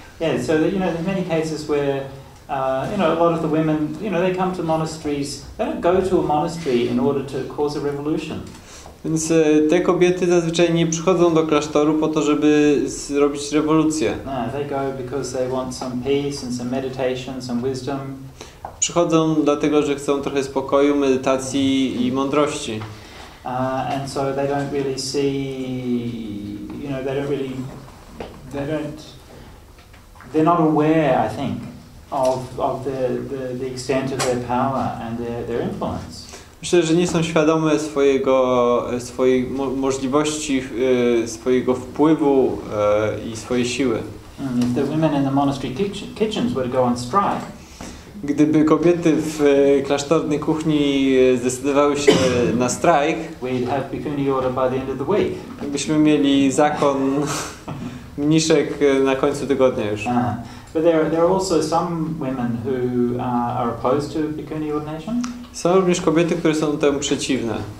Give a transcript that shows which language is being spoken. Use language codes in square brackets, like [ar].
[en] Yeah, so you know, there's many cases where a lot of the women, they come to monasteries. They don't go to a monastery in order to cause a revolution. [pl] Więc te kobiety zazwyczaj nie przychodzą do klasztoru po to, żeby zrobić rewolucję. [en] No, they go because they want some peace and some meditation, some wisdom. [pl] Przychodzą dlatego, że chcą trochę spokoju, medytacji i mądrości. [en] And so they don't really see, they're not aware, I think, of the extent of their power and their influence. [pl] Myślę, że nie są świadome swojej możliwości, swojego wpływu i swojej siły. [en] If the women in the monastery kitchens were to go on strike, [pl] gdyby kobiety w klasztornej kuchni zdecydowały się na strajk, [en] we'd have bikini order by the end of the week. [pl] Byśmy mieli zakon mniszek na końcu tygodnia już. [en] But there are also some women who are opposed to bikini ordination. [pl] Są również kobiety, które są temu przeciwne.